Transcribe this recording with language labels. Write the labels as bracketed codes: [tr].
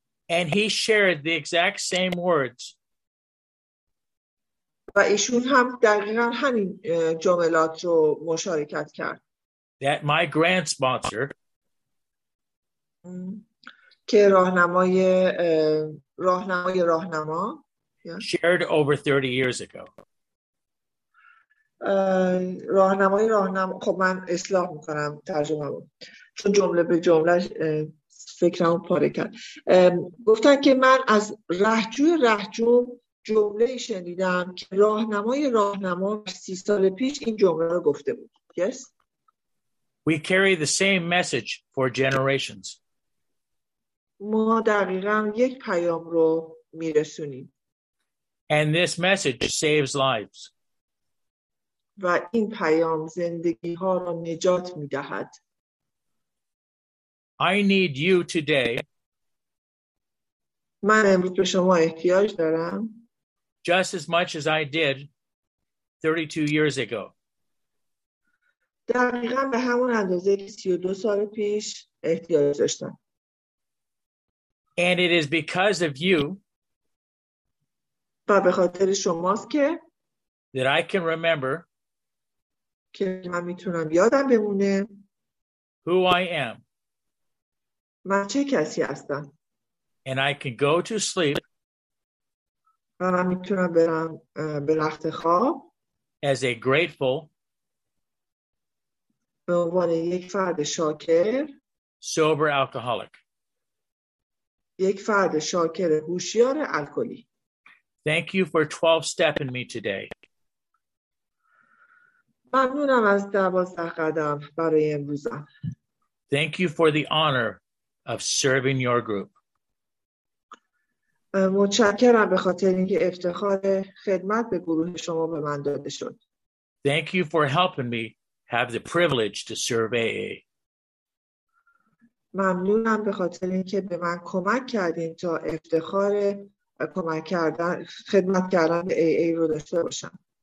[en] And he shared the exact same words. [fa] و ایشون هم دقیقاً همین جملات رو مشارکت کرد. [en] That my grand sponsor [fa] که راهنمای راهنما [en] shared over 30 years ago. [fa] راهنمای راهنما خب من اصلاح میکنم ترجمه رو چون جمله به جملهش فکرمو پاره کرد. گفتن که من از رهجوی جمله شنیدم که راهنمای راهنما 30 سال پیش این جمله رو گفته بود. [en] Yes. We carry the same message for generations. [fa] ما دقیقاً یک پیام رو میرسونیم. [en] And this message saves lives. [fa] و این پیام زندگی ها رو نجات میدهد. [en] I need you today. [fa] من امروز به شما احتیاج دارم. [en] Just as much as I did 32 years ago. [fa] دقیقاً به همون اندازه که 32 سال پیش احتیاج داشتم. [en] And it is because of you. [fa] و به خاطر شماست که [en] that I can remember. [fa] که من میتونم یادم بمونه [en] who I am. [fa] من چه کسی هستم؟ [en] And I can go to sleep. [fa] من میتونم برم به رخت خواب. [en] As a grateful. [fa] به عنوان یک فرد شاکر. [en] Sober alcoholic. [fa] یک فرد شاکر هوشیار الکلی. [en] Thank you for 12 stepping me today. [fa] ممنونم از 12 قدم برای امروزم. [en] Thank you for the honor of serving your group. [fa] متشکرم به خاطر اینکه افتخار خدمت به گروه شما به من داده شد. [en] Thank you for helping me have the privilege to serve AA. [fa] ممنونم به خاطر اینکه به من کمک کردین تا افتخار کمک کردن خدمت کردن به AA رو داشته باشم.